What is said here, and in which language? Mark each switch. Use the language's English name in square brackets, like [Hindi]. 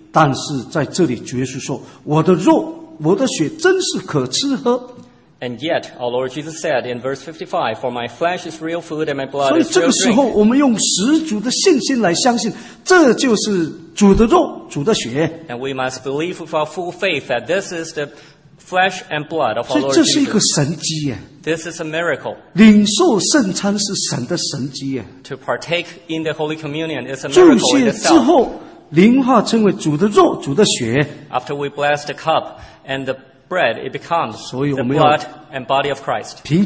[Chinese] 但是在这里，主耶稣说：“我的肉，我的血，真是可吃喝。” [English] And yet, our Lord Jesus said in verse 55, For my flesh is real food and my blood is real drink. [Chinese] 所以这个时候我们用十足的信心来相信，这就是主的肉，主的血。 [English] And we must believe with our full faith that this is the flesh and blood of our Lord Jesus. [Chinese] 所以这是一个神迹耶。 [English] This is a miracle. [Chinese] 领受圣餐是神的神迹耶。 [English] To partake in the Holy Communion is a miracle itself. [Chinese] 祝谢之后，灵化成为主的肉，主的血。 [English] After we bless the cup and the bread, it becomes the blood and body of Christ.